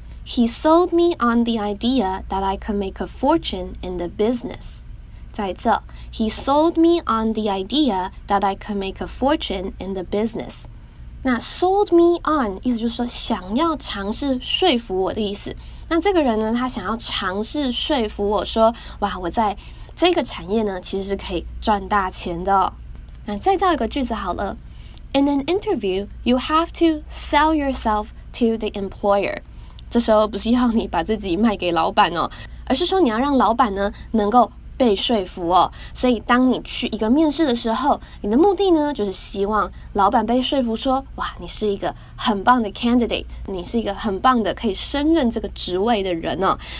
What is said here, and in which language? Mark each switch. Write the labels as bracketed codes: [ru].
[en] He sold me on the idea that I could make a fortune in the business. [zh] 在这。 [en] He sold me on the idea that I could make a fortune in the business. [zh] 那 [en] sold me on [zh] 意思就是说想要尝试说服我的意思。那这个人呢，他想要尝试说服我说，哇，我在这个产业呢，其实是可以赚大钱的哦。那再造一个句子好了。 [en] In an interview, you have to sell yourself to the employer. [zh] 这时候不是要你把自己卖给老板哦，而是说你要让老板呢能够被说服哦。所以当你去一个面试的时候，你的目的呢就是希望老板被说服说，哇，你是一个很棒的 candidate， 你是一个很棒的可以升任这个职位的人哦。